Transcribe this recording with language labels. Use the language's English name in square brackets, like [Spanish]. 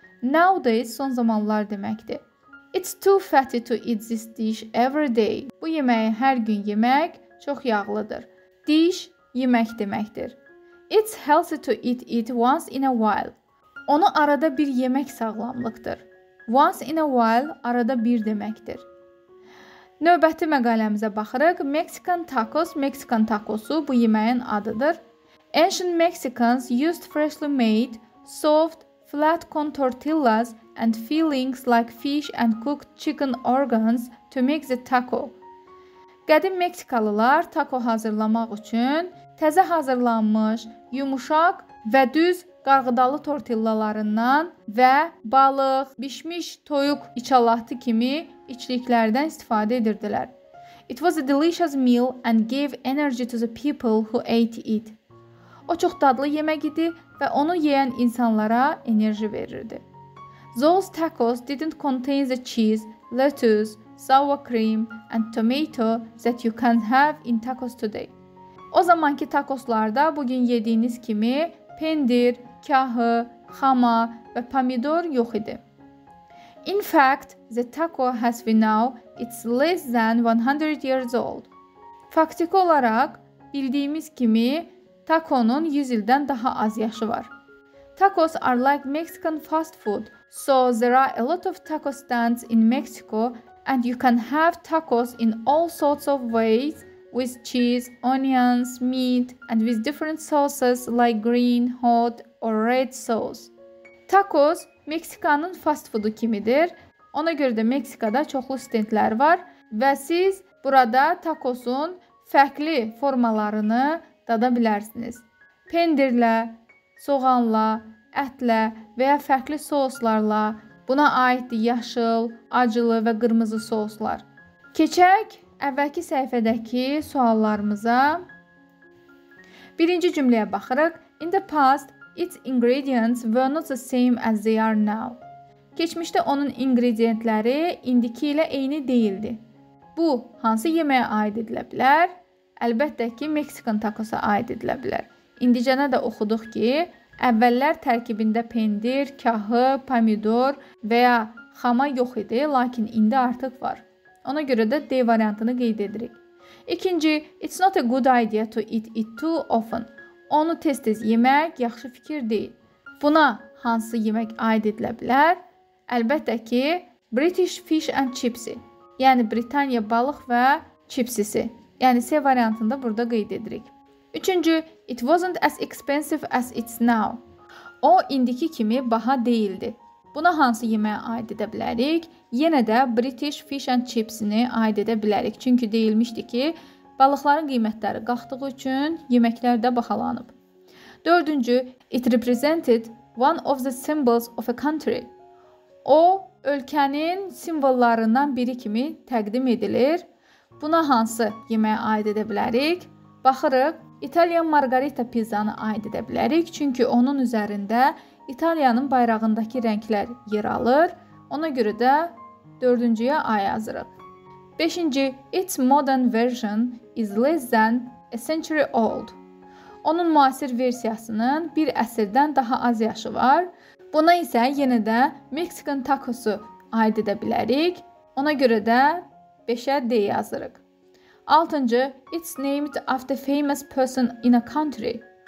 [Azerbaijani] Nowadays son zamanlar deməkdir. [English] It's too fatty to eat this dish every day. [Azerbaijani] Bu yeməyi hər gün yemək çox yağlıdır. Dish yemək deməkdir. [English] It's healthy to eat it once in a while. [Azerbaijani] Onu arada bir yemək sağlamlıqdır. [English] Once in a while [Azerbaijani] arada bir deməkdir. Növbəti məqaləmizə baxırıq. Mexican tacos, Mexican tacosu bu yeməyin adıdır. [English] Ancient Mexicans used freshly made, soft, flat corn tortillas and fillings like fish and cooked chicken organs to make the taco. [Azerbaijani] Qədim Meksikalılar taco hazırlamaq üçün təzə hazırlanmış, yumuşaq və düz qarğıdalı tortillalarından və balıq, bişmiş toyuq içalatı kimi içliklərdən istifadə edirdilər. [English] It was a delicious meal and gave energy to the people who ate it. [Azerbaijani] O çox dadlı yemək idi və onu yeyən insanlara enerji verirdi. [English] Those tacos didn't contain the cheese, lettuce, sour cream and tomato that you can have in tacos today. [Azerbaijani] O zamanki tacoslarda bugün yediyiniz kimi pendir, kahı, xama və pomidor yox idi. [English] In fact, the taco has been now it's less than 100 years old. [Azerbaijani] Faktik olaraq bildiyimiz kimi takonun 100 ildən daha az yaşı var. [English] Tacos are like Mexican fast food, so there are a lot of taco stands in Mexico and you can have tacos in all sorts of ways with cheese, onions, meat and with different sauces like green, hot or red sauce. [Azerbaijani] Tacos Meksikanın fast foodu kimidir. Ona görə də Meksikada çoxlu stendlər var və siz burada tacosun fərqli formalarını dada bilərsiniz. Pendirlə, soğanla, ətlə və ya fərqli soslarla, buna aiddir yaşıl, acılı və qırmızı soslar. Keçək əvvəlki səhifədəki suallarımıza. Birinci cümləyə baxırıq. [English] In the past, its ingredients were not the same as they are now. [Azerbaijani] Keçmişdə onun ingredientləri indiki ilə eyni deyildi. Bu, hansı yeməyə aid edilə bilər? Əlbəttə ki, Meksikan takosa aid edilə bilər. İndicənə də oxuduq ki, əvvəllər tərkibində pendir, kahı, pomidor və ya xama yox idi, lakin indi artıq var. Ona görə də D variantını qeyd edirik. [English] İkinci, it's not a good idea to eat it too often. [Azerbaijani] Onu tez-tez yemək yaxşı fikir deyil. Buna hansı yemək aid edilə bilər? Əlbəttə ki, British Fish and Chipsi, yəni Britaniya balıq və chipsisi, yəni C variantında burada qeyd edirik. [English] Üçüncü, it wasn't as expensive as it's now. [Azerbaijani] O, indiki kimi baha deyildi. Buna hansı yeməyə aid edə bilərik? Yenə də British Fish and Chipsini aid edə bilərik. Çünki deyilmişdi ki, balıqların qiymətləri qalxdığı üçün yeməklər də bahalanıb. [English] Dördüncü, it represented one of the symbols of a country. [Azerbaijani] O, ölkənin simvollarından biri kimi təqdim edilir. Buna hansı yeməyə aid edə bilərik? Baxırıq, İtalyan margarita pizzanı aid edə bilərik. Çünki onun üzərində İtalyanın bayrağındakı rənglər yer alır. Ona görə də dördüncüyə ay yazırıq. [English] Beşinci, its modern version is less than a century old. [Azerbaijani] Onun müasir versiyasının bir əsrdən daha az yaşı var. Buna isə yenə də Mexican tacosu aid edə bilərik. Ona görə də 5-ə D yazırıq. [English] 6-cı, it's named after famous person in a country.